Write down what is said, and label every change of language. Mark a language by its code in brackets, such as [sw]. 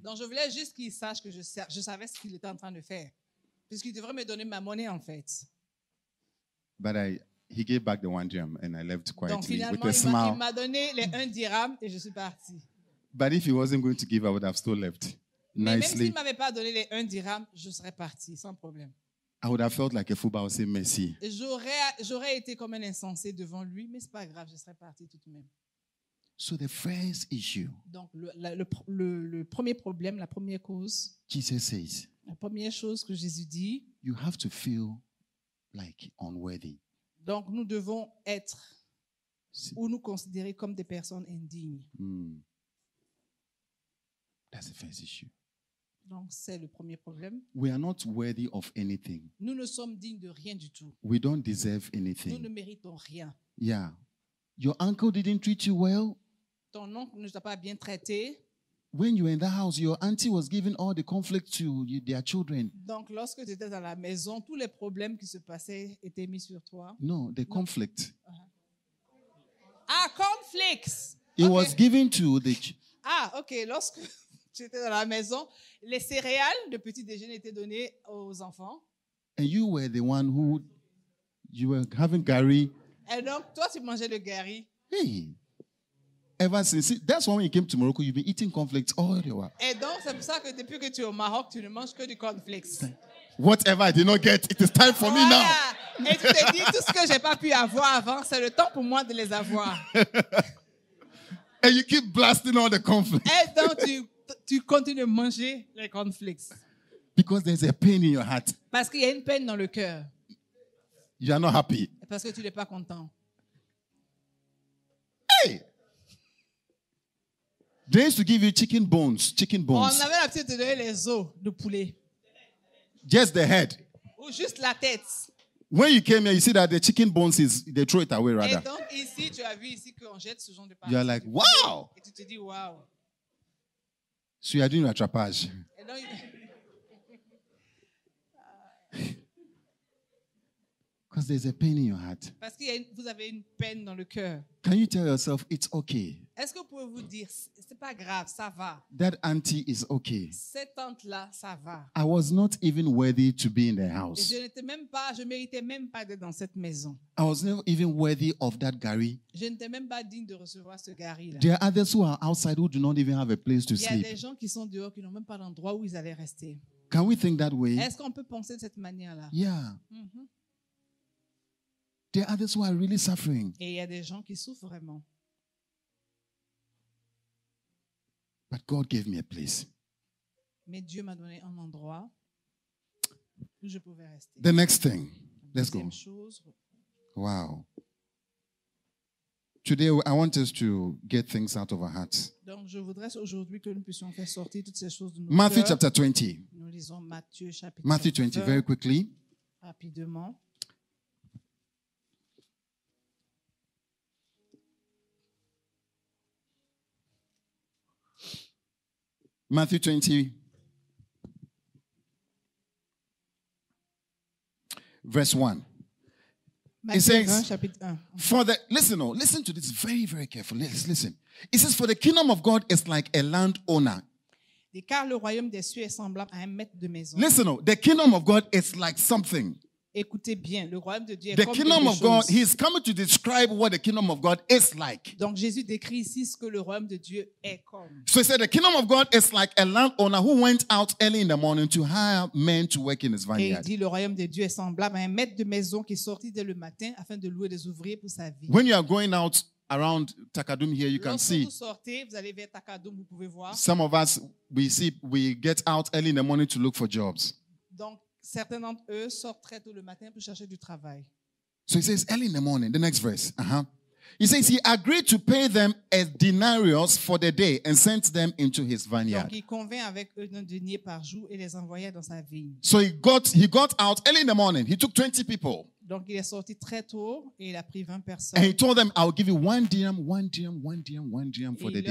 [fr] Donc je voulais juste qu'il sache que je savais ce qu'il était en train de faire. Puisqu'il devrait me donner ma monnaie en fait. [en] But he gave back the 1 dirham and I left quietly. [fr] Donc, [en] with a smile. [fr] Il m'a donné les 1 dirham et je suis parti. [en] But if he wasn't going to give, I would have still left [fr] mais [en] nicely. [fr] Même s'il m'avait pas donné les 1 dirham, je serais parti sans problème. [en] I would have felt like a fool, but I would say merci. [fr] J'aurais été comme un insensé devant lui, mais c'est pas grave, je serais parti tout de même. [en] So the first issue. [fr] Donc le premier problème, la première cause. [en] Jesus says. [fr] La première chose que Jésus dit. [en] You have to feel like unworthy. [fr] Donc nous devons être ou nous considérer comme des personnes indignes. [en] That's the first issue. [fr] Donc c'est le premier problème. [en] We are not worthy of anything. [fr] Nous ne sommes dignes de rien du tout. [en] We don't deserve anything. [fr] Nous ne méritons rien. [en] Yeah. Your uncle didn't treat you well. [fr] Ton oncle ne t'a pas bien traité. [en] When you were in the house, your auntie was giving all the conflict to their children. [fr] Donc lorsque tu étais dans la maison, tous les problèmes qui se passaient étaient mis sur toi. [en] No, the conflict. Ah, conflicts. It was given to the. Ah, okay. [fr] Lorsque tu étais dans la maison, les céréales de petit déjeuner étaient données aux enfants. [en] And you were the one who you were having gari. [fr] Et donc toi, tu mangeais le gari. [en] Hey. ever since. See, that's why when you came to Morocco, you've been eating cornflakes all the while. [fr] Et donc, c'est pour ça que depuis que tu es au Maroc, tu ne manges que du cornflakes. [en] Whatever I did not get, it is time for [fr] voilà. [en] Me now. [fr] Et tu te dis, tout ce que je n'ai pas pu avoir avant, c'est le temps pour moi de les avoir. [en] And you keep blasting all the cornflakes. [fr] Et donc, tu continues à manger les cornflakes. [en] Because there's a pain in your heart. [fr] Parce qu'il y a une peine dans le cœur. [en] You are not happy. [fr] Parce que tu n'es pas content. [en] Hey! They used to give you chicken bones. Chicken bones. [fr] On avait l'habitude de donner les os de poulet. [en] Just the head. [fr] Ou juste la tête. [en] When you came here, you see that the chicken bones is they throw it away rather. [fr] Et donc ici, tu as vu ici qu'on jette ce genre de [en] pâte. You are like, wow! [fr] Et tu te dis, wow! [en] So you are doing attrapage. Because there's a pain in your heart. [fr] Parce qu'il y a une, vous avez une peine dans le cœur. [en] Can you tell yourself it's okay? [fr] Est-ce que vous pouvez vous dire c'est pas grave, ça va? [en] That auntie is okay. [fr] Cette tante là, ça va. [en] I was not even worthy to be in the house. [fr] Et je n'étais même pas, je méritais même pas d'être dans cette maison. [en] I was not even worthy of that gari. [fr] Je n'étais même pas digne de recevoir ce gari là. [en] There are others who are outside who do not even have a place to sleep. [fr] Il y a des gens qui sont dehors qui n'ont même pas l'endroit où ils allaient rester. [en] Can we think that way? [fr] Est-ce qu'on peut penser de cette manière là? [en] Yeah. Mm-hmm. There are others who are really suffering. [fr] Et il y a des gens qui souffrent vraiment. [en] But God gave me a place. [fr] Mais Dieu m'a donné un endroit où je pouvais rester. [en] The next thing. Let's go. [fr] Chose. [en] Wow. Today I want us to get things out of our hearts. [fr] Donc je voudrais aujourd'hui que nous puissions faire sortir toutes ces choses de nos [en] Matthew cœurs. Chapter 20. [fr] Nous lisons Matthieu chapitre [en] Matthew 20 very quickly. [fr] Rapidement. [en] Matthew 20, verse 1. Matthew it says, 1, [fr] chapitre 1. [en] For the, listen, oh, listen to this very, very carefully. Listen. It says, for the kingdom of God is like a landowner. [fr] Et car le royaume des cieux est semblable à un maître de maison. [en] Listen, oh, the kingdom of God is like something. [fr] Écoutez bien, le royaume de Dieu est [en] the [fr] comme [en] kingdom of God, [fr] chose. [en] He is coming to describe what the kingdom of God is like. [fr] Donc Jésus décrit ici ce que le royaume de Dieu est comme. [en] So he said the kingdom of God is like a landowner who went out early in the morning to hire men to work in his vineyard. [fr] Et il dit le royaume de Dieu est semblable à un maître de maison qui sortit dès le matin afin de louer des ouvriers pour sa vie. [en] When you are going out around Takadum here, you can see. [fr] Lorsque vous sortez, vous allez vers Takadum, vous pouvez voir. [en] Some of us, we get out early in the morning to look for jobs. [fr] Donc, certains d'entre eux sortent très tôt le matin pour chercher du travail. [en] So he says, early in the morning, the next verse. Uh-huh. He says, he agreed to pay them a denarius for the day and sent them into his vineyard. [fr] Donc, il convint avec eux d'un denier par jour et les envoya dans sa vigne. [en] So he got out early in the morning. He took 20 people. [fr] Donc, il est sorti très tôt et il a pris 20 personnes. [en] And he told them, I'll give you one dirham for the day.